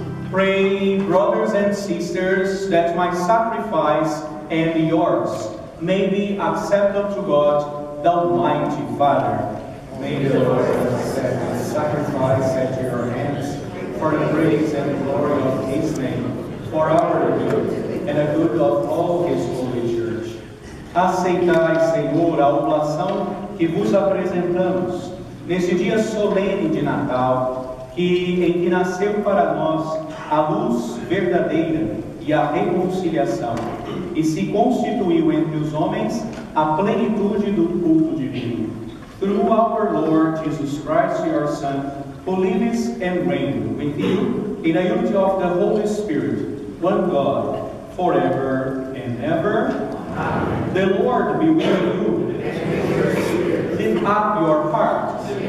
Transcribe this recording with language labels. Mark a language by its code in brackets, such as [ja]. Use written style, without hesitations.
[en] Pray, brothers and sisters, that my sacrifice and yours may be acceptable to God, the Almighty Father. May the Lord accept my sacrifice at your hands for the praise and glory of his name, for our good and the good of all his holy church. [pt] Aceitai, Senhor, a oblação que vos apresentamos neste dia solene de Natal, em que nasceu para nós a luz verdadeira e a reconciliação, e se constituiu entre os homens a plenitude do culto divino. [en] Through our Lord Jesus Christ, your Son, who lives and reigns with you in the unity of the Holy Spirit, one God, forever and ever. Amen. The Lord be with you. And with your spirit. Lift up your heart.